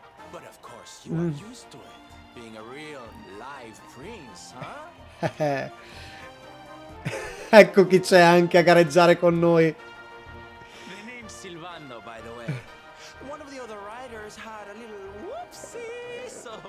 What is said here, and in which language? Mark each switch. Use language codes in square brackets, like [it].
[en] But of course you are used to it, being a real live prince, huh? [it] Ecco chi c'è anche a gareggiare con noi. [en] The name Silvano, by the way. One of the other riders had a little whoopsie, so...